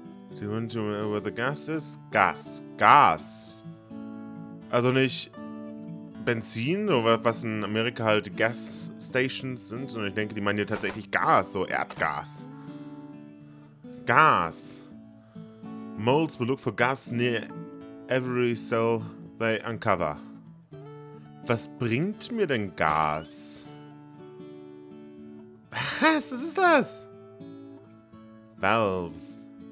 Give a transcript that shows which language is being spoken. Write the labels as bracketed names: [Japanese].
[English] Do you want to know where the gas is? Gas. Gas. [German] Also nicht Benzin, oder was in Amerika halt Gas Stations sind, sondern ich denke, die meinen hier tatsächlich Gas, so Erdgas. [English] Gas. Moles will look for gas near every cell they uncover. [German] Was bringt mir denn Gas? Was? Was ist das? Valves.